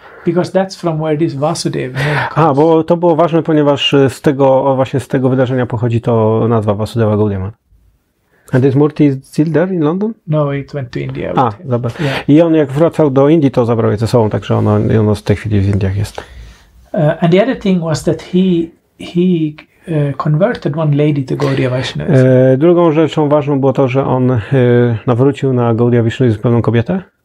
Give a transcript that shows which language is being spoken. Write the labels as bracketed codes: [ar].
[en] Because that's from where this Vasudev name comes. [pl] A, bo to było ważne, ponieważ z tego właśnie z tego wydarzenia pochodzi to nazwa Vasudeva Gaudiya. [en] And this Murti is still there in London? No, it went to India. [pl] A, dobra. Yeah. I on jak wracał do Indii, to zabrał je ze sobą, także ono w tej chwili w Indiach jest. [en] And the other thing was that he converted one lady to Gaudiya Vaishnavism. [pl] Drugą rzeczą ważną było to, że on nawrócił na Gaudiya Vaishnavism pewną kobietę.